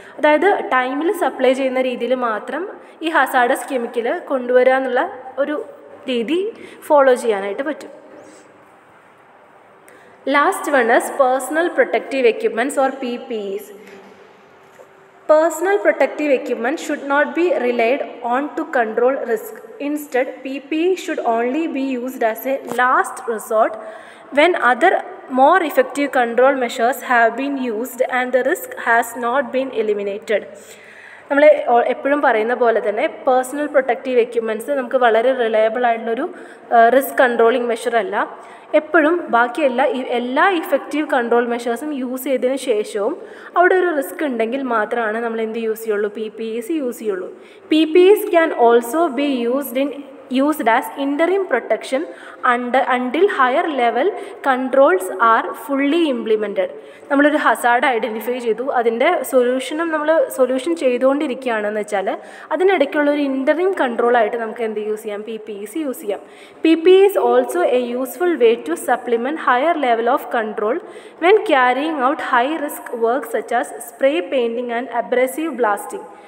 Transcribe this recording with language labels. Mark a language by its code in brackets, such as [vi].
[ml] അതായത് ടൈമിൽ സപ്ലൈ ചെയ്യുന്ന രീതിയിൽ മാത്രം ഈ ഹസാഡസ് കെമിക്കൽ കൊണ്ടുവരിക എന്നുള്ള ഒരു രീതി ഫോളോ ചെയ്യാനായിട്ട് പറ്റും. [en] Last one is personal protective equipments or P P Es. Personal protective equipment should not be relied on to control risk. Instead P P should only be used as a last resort when other more effective control measures have been used and the risk has not been eliminated. [ml] നമ്മൾ എപ്പോഴും പറയുന്ന പോലെ തന്നെ personal protective equipments നമുക്ക് വളരെ reliable ആയിട്ടുള്ളൊരു risk controlling measure അല്ല. എപ്പോഴും ബാക്കി എല്ലാ ഇഫക്റ്റീവ് കൺട്രോൾ മെഷേഴ്സും യൂസ് ചെയ്തതിന് ശേഷവും അവിടെ ഒരു റിസ്ക് ഉണ്ടെങ്കിൽ മാത്രമാണ് നമ്മൾ എന്ത് യൂസ് ചെയ്യുള്ളൂ, പി പി ഇസ് യൂസ് ചെയ്യുള്ളൂ. [en] P P Es can also be used in used as interim protection until higher level controls are fully implemented. [ml] നമ്മൾ ഒരു ഹസാർഡ് ഐഡൻറ്റിഫൈ ചെയ്തു, അതിൻ്റെ സൊല്യൂഷനും നമ്മൾ സൊല്യൂഷൻ ചെയ്തുകൊണ്ടിരിക്കുകയാണെന്ന് വെച്ചാൽ അതിനിടയ്ക്കുള്ള ഒരു ഇൻ്ററിം കൺട്രോളായിട്ട് നമുക്ക് എന്ത് യൂസ് ചെയ്യാം, പി പി ഇസ് യൂസ് ചെയ്യാം. [en] P P Es also a useful way to supplement higher level of control when carrying out high risk work such as spray painting and abrasive blasting.